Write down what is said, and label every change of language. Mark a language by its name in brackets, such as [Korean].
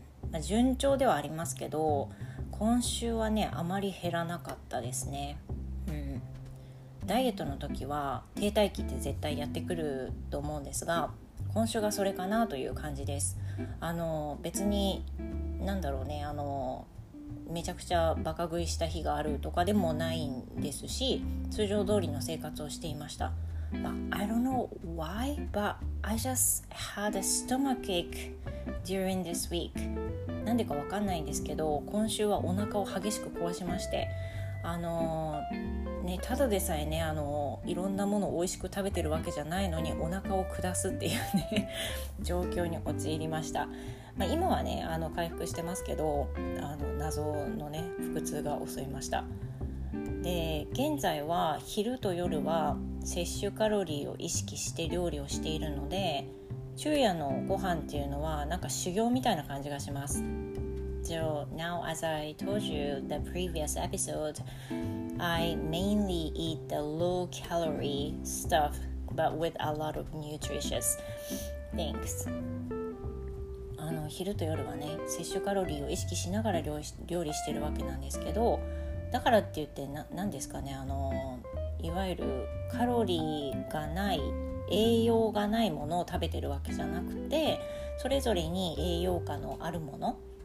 [Japanese] まあ、順調ではありますけど、今週はねあまり減らなかったですね、ダイエットの時は停滞期って絶対やってくると思うんですが、今週がそれかなという感じです。あの別に何だろうね、あのめちゃくちゃバカ食いした日があるとかでもないんですし、通常通りの生活をしていました。 [English] But I don't know why, but I just had a stomach ache during this week. [Japanese] なんでかわかんないんですけど、今週はお腹を激しく壊しまして。あのね、ただでさえね、あのいろんなものをおいしく食べてるわけじゃないのにお腹を下すっていうね状況に陥りました、まあ、今はねあの回復してますけど、あの謎のね腹痛が襲いました。で現在は昼と夜は摂取カロリーを意識して料理をしているので、昼夜のご飯っていうのはなんか修行みたいな感じがします。 [English] So now, as I told you the previous episode, I mainly eat the low-calorie stuff, but with a lot of nutritious things. [Japanese] あの昼と夜はね、摂取カロリーを意識しながら料理してるわけなんですけど、だからって言って何ですかね、あのいわゆるカロリーがない、栄養がないものを食べてるわけじゃなくて、それぞれに栄養価のあるもの、